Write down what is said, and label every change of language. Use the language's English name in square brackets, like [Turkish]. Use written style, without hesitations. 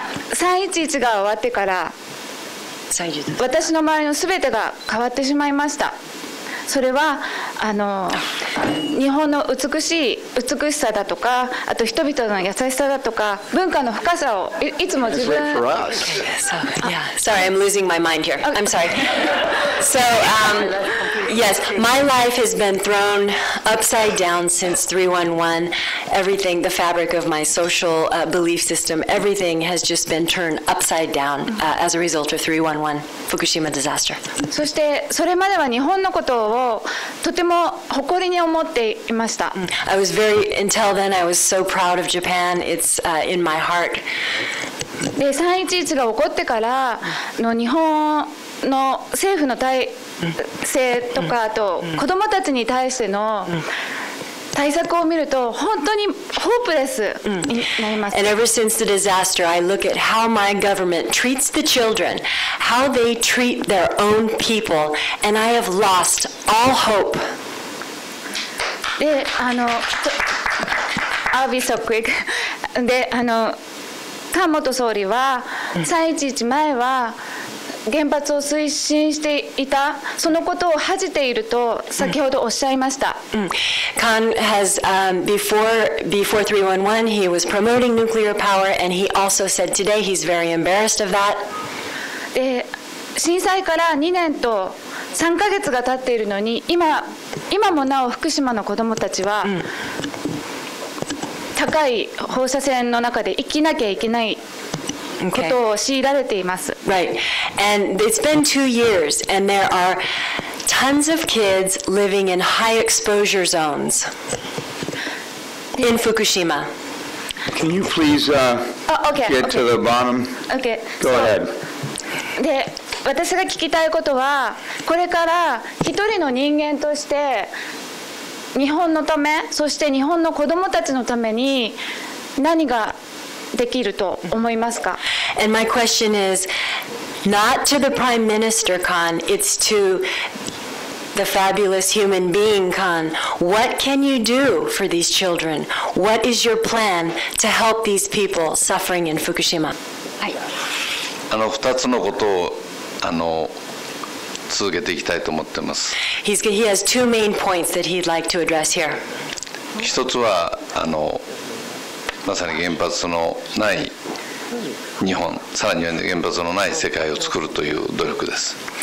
[Japanese] 3.11 が終わってから、私の周りのすべてが変わってしまいました。それは日本の美しさだとか、あと人々の優しさだとか、文化の深さをいつも自分。 [English] Okay, yeah, so, yeah. Sorry, I'm losing my mind here. I'm sorry. So, yes, my life has been thrown upside down since 3-1-1. Everything, the fabric of my social belief system, everything has just been turned upside down as a result of 3-1-1 Fukushima disaster. [Japanese] そしてそれまでは日本のことをとても誇りに思っていました。 [English] I was very, until then, I was so proud of Japan. It's in my heart. [Japanese] で、3.11 が起こってからの日本の政府の体制とか、あと子どもたちに対しての対策を見ると本当にホープレスになります。 [English] And ever since the disaster, I look at how my government treats the children, how they treat their own people, and I have lost all hope. [Japanese] で、 [English] I'll be so quick. [Japanese] で、菅元総理は3.11前は原発を推進していた、そのことを恥じていると先ほどおっしゃいました。 [English] Khan has before 3-1-1 he was promoting nuclear power and he also said today he's very embarrassed of that. [Japanese] 震災から2年と3ヶ月が経っているのに、今もなお福島の子どもたちは高い放射線の中で生きなきゃいけない。 [English] Okay. Right. And it's been 2 years, and there are tons of kids living in high exposure zones in Fukushima. Can you please get to the bottom? Okay. Go ahead. [Japanese] で、私が聞きたいことは、これから一人の人間として、日本のため、そして日本の子どもたちのために何が。できると思いますか? [English] And my question is not to the Prime Minister Khan, it's to the fabulous human being Khan. What can you do for these children? What is your plan to help these people suffering in Fukushima? [Japanese] はい。 2つのことを続けていきたいと思ってます。 [English] He has two main points that he'd like to address here. [Japanese] 1つはまさに原発のない日本、さらには原発のない世界を作るという努力です。